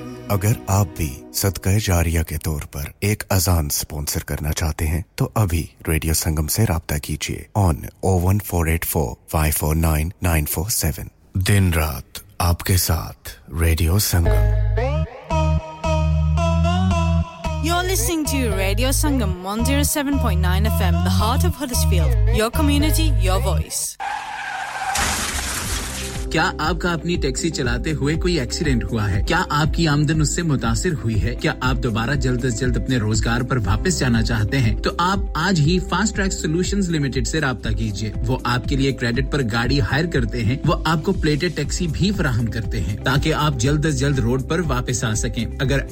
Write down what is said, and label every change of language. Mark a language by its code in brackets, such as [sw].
[ur] صدقہ جاریہ کے طور پر ایک اذان سپانسر کرنا چاہتے ہیں تو ابھی ریڈیو سنگم سے رابطہ کیجئے on 01484549947 دن رات آپ کے ساتھ radio Sangam [en] You're listening to Radio Sangam 107.9 FM The heart of Huddersfield Your community, your voice [ur] کیا آپ کا اپنی ٹیکسی چلاتے ہوئے کوئی ایکسیڈنٹ ہوا ہے؟ کیا آپ کی آمدن اس سے متاثر ہوئی ہے؟ کیا آپ دوبارہ جلد از جلد اپنے روزگار پر واپس جانا چاہتے ہیں؟ تو آپ آج ہی فاسٹ ٹریک سولوشنز لمیٹڈ سے رابطہ کیجئے۔ وہ آپ کے لیے کریڈٹ پر گاڑی ہائر کرتے ہیں، وہ آپ کو پلیٹڈ ٹیکسی بھی فراہم کرتے ہیں تاکہ آپ جلد از جلد روڈ پر واپس آ سکیں۔ اگر